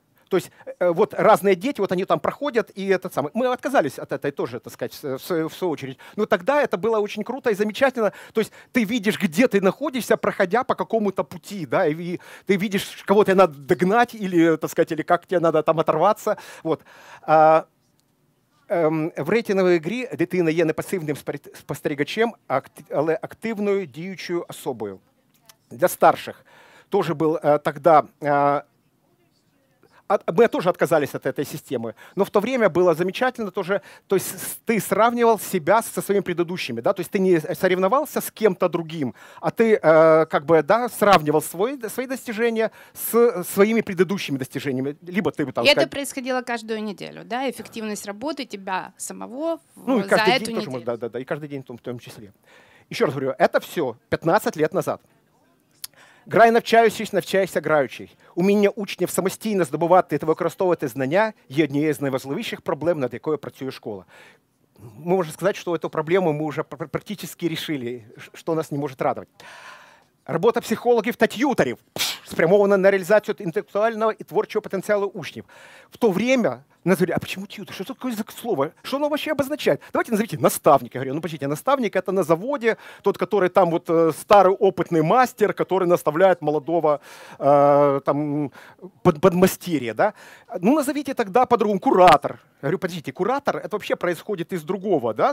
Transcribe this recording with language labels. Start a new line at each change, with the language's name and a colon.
Russian: То есть вот разные дети, вот они там проходят, и этот самый. Мы отказались от этой тоже, так сказать, в свою очередь. Но тогда это было очень круто и замечательно. То есть ты видишь, где ты находишься, проходя по какому-то пути, да, и ты видишь, кого тебе надо догнать, или, так сказать, или как тебе надо там оторваться. Вот.
Ukrainian: В рейтинговой игре дитина є не пасивним спостерігачем, але активною діючою особою.
Russian: Для старших тоже был тогда... мы тоже отказались от этой системы. Но в то время было замечательно тоже, то есть ты сравнивал себя со своими предыдущими, да, то есть ты не соревновался с кем-то другим, а ты как бы, да, сравнивал свои достижения с своими предыдущими достижениями. Либо ты там, и это происходило каждую неделю, да, эффективность работы тебя самого за эту неделю. Тоже, да, и каждый день в том числе. Еще раз говорю, это все 15 лет назад.
Ukrainian: Грай навчаючись, навчаюся граючий. Уміння учнів самостійно здобувати та використовувати знання є однією з найважливіших проблем, над якою працює школа. Ми можемо сказати, що цю проблему ми вже практично вирішили, що нас не може радувати. Робота психологів та т'ютерів спрямована на реалізацію інтелектуального і творчого потенціалу учнів.
Russian: В то время назвали, а почему тьютер? Что такое за слово? Что оно вообще обозначает? Давайте назовите наставник. Я говорю, ну подождите, наставник — это на заводе тот, который там вот старый опытный мастер, который наставляет молодого там подмастерья, да? Ну назовите тогда по-другому куратор. Я говорю, подождите, куратор — это вообще происходит из другого, да?